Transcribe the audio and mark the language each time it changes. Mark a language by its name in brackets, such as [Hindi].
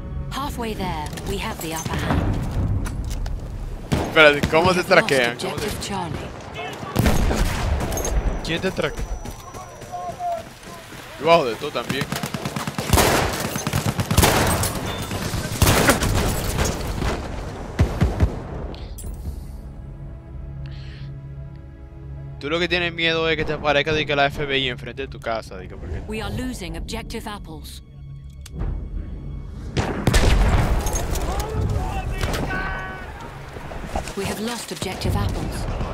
[English] Halfway there, we have the upper hand. [Spanish] Espérate, ¿cómo se traquean? ¿Quién te traquea? Yo bajo de todo también. Tú lo que tienes miedo es que te aparezca de que la FBI enfrente de tu casa, de que porque... [English] We are losing objective apples. We have lost objective apples.